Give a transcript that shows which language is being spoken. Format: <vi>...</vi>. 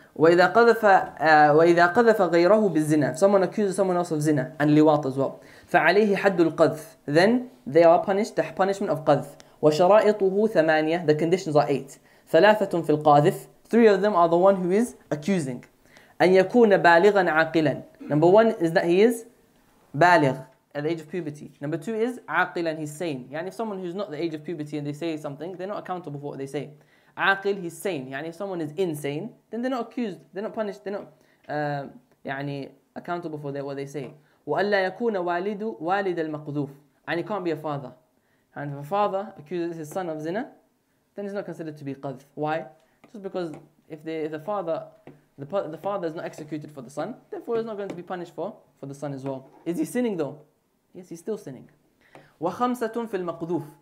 <ar>وإذا قذف وإذا قذف غيره بالزنا.</ar> <en>Someone accuses someone else of zina and liwat as well.</en> <ar>فعليه حد القذف.</ar> <en>Then they are punished. The punishment of قذف.</en> <ar>وشرائطه ثمانية.</ar> <en>The conditions are 8.</en> <ar>ثلاثة في القاذف.</ar> <en>3 of them are the one who is accusing.</en> <ar>أن يكون بالغا عاقلا.</ar> <en>Number 1 is that he is بالغ. At the age of puberty. Number 2 is عاقلاً, he's sane. يعني if someone who's not the age of puberty and they say something, they're not accountable for what they say. عاقل, he's sane. يعني if someone is insane, then they're not accused, they're not punished, they're not يعني accountable for what they say.</en> <ar>وألا يكون والد والد المقذوف.</ar> <en>And he can't be a father. And if a father accuses his son of zina, then he's not considered to be قذف. Why? Just because if the father is not executed for the son, therefore he's not going to be punished for the son as well. Is he sinning though? Yes, he's still sinning.</en> <ar>وَخَمْسَةٌ فِي الْمَقْذُوفِ.</ar>